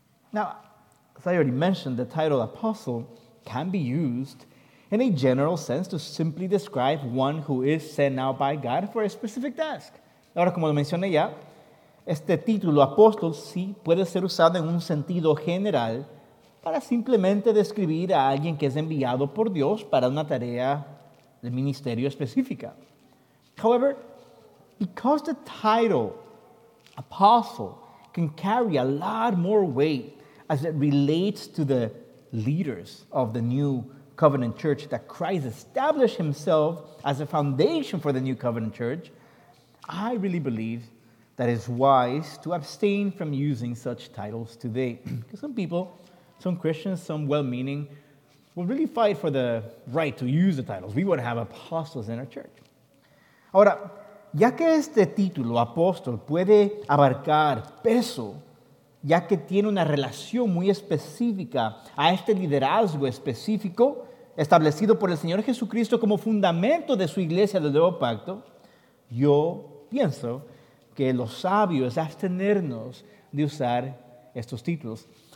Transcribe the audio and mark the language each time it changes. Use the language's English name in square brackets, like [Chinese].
[English] Now, as I already mentioned, the title apostle can be used in a general sense to simply describe one who is sent out by God for a specific task. [Spanish] Ahora, como lo mencioné ya, este título apóstol sí puede ser usado en un sentido general para simplemente describir a alguien que es enviado por Dios para una tarea de ministerio específica. [English] However, because the title apostle can carry a lot more weight as it relates to the leaders of the new covenant church that Christ established himself as a foundation for the new covenant church, I really believe that it's wise to abstain from using such titles today. Because some people, some Christians, some well-meaning, will really fight for the right to use the titles. We want to have apostles in our church. [Spanish] Ahora, ya que este título, apóstol, puede abarcar peso, ya que tiene una relación muy específica a este liderazgo específico establecido por el Señor Jesucristo como fundamento de su iglesia del Nuevo Pacto, yo pienso que lo sabio es abstenernos de usar estos títulos.